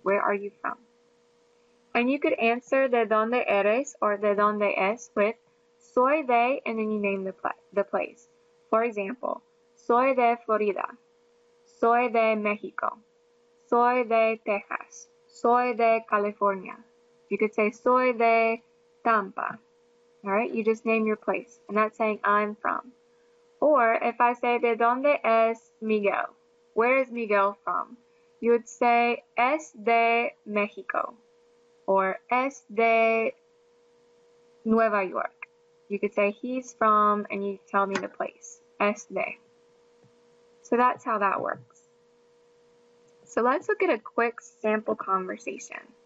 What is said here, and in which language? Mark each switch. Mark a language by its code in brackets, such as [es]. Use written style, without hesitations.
[en] Where are you from? And you could answer [es] de donde eres [en] or [es] de donde es [en] with [es] soy de, [en] and then you name the place. For example, [es] soy de Florida. Soy de Mexico. Soy de Texas. Soy de California. [en] You could say [es] soy de [en] Tampa. All right, you just name your place. And that's saying I'm from. Or if I say, [es] ¿de dónde es Miguel? [en] Where is Miguel from? You would say, [es] es de México. Or es de Nueva York. [en] You could say, he's from, and you tell me the place. [es] Es de. [en] So that's how that works. So let's look at a quick sample conversation.